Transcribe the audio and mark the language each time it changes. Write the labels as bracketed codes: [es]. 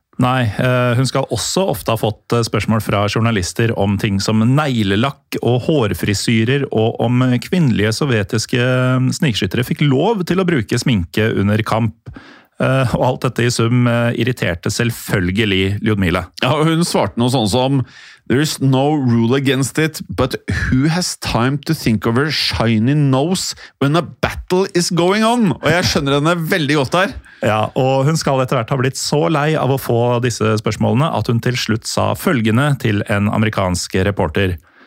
[no] Nei, hun skal også ofte ha fått spørsmål fra journalister om ting som neglelakk og hårfrisyrer, og om kvinnelige sovjetiske snikskyttere fikk lov til å bruke sminke under kamp. Og alt dette i sum irriterte selvfølgelig Ludmilla. Ja, hun svarte noe sånn som [en] «There is no rule against it, but who has time to think of a shiny nose when a battle is going on?» [no] Og jeg skjønner henne veldig godt der. Ja, og hun skal etter hvert ha blitt så lei av å få disse spørsmålene at hun til slutt sa følgende til en amerikansk reporter.